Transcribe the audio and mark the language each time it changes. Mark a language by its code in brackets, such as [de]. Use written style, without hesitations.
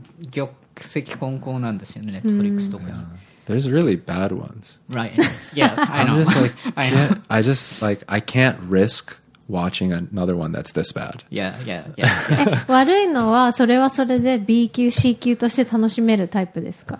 [ja] 玉石混交なんですよね、ネットフリックスとか。 [en] There's really bad ones. Right. Yeah, I know. I'm just like, I just like, I can't risk watching another one that's this bad. Yeah. [ja] 悪いのはそれはそれで B 級 C 級として楽しめるタイプですか？